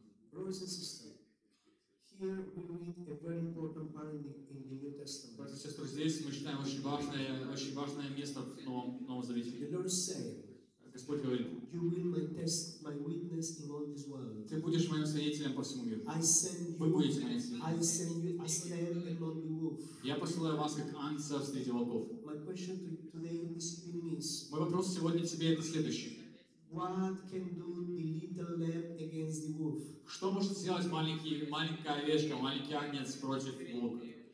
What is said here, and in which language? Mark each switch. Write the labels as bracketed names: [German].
[English] Brothers and sisters, here we read a very important part in the New Testament. [Russian] Братья и сестры, здесь мы читаем очень важное место в Новом Завете. [English] The Lord said, [Russian] Господь говорит, [English] you will my test, my witness in all this world. [Russian] Ты будешь моим свидетелем по всему миру. [English] I send you, [Russian] вы будете моим свидетелем. [English] I send you as lamb among the wolf. [Russian] Я посылаю вас как анца среди волков. [English] My question to today in this evening is, [Russian] мой вопрос сегодня тебе это следующий. [English] What can do the little lamb against the wolf? [Russian] Что может сделать маленькая овечка, маленький агнец против волка?